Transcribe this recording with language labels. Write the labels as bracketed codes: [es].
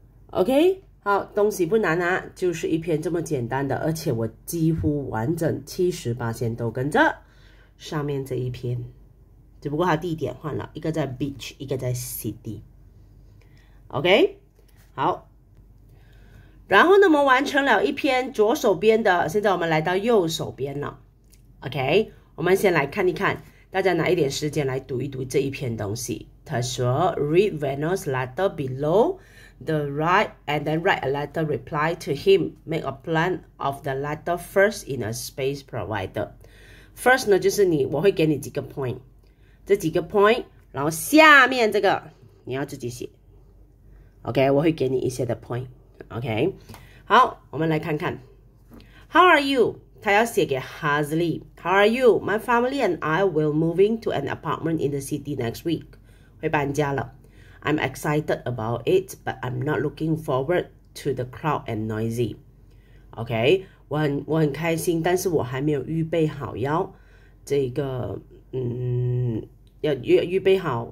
[zh] Okay, 好，东西不难啊，就是一篇这么简单的，而且我几乎完整70%都跟着上面这一篇，只不过它地点换了，一个在 beach，一个在 city. Okay, 好。然后呢，我们完成了一篇左手边的，现在我们来到右手边了。 OK，我们先来看一看，大家拿一点时间来读一读这一篇东西。他说：“ [en] Read Venus' letter below the right, and then write a letter reply to him. Make a plan of the letter first in a space provided. [zh] First 呢，就是你，我会给你几个 point，这几个 point，然后下面这个你要自己写。 OK，我会给你一些的 point。” OK，好，我们来看看。 [en] How are you？ [zh] 他要写给 Hazley。 [en] How are you？My family and I will moving to an apartment in the city next week。 [zh] 会搬家了。 [en] I'm excited about it, but I'm not looking forward to the crowd and noisy。 [zh] OK，我很开心，但是我还没有预备好要这个，要预备好。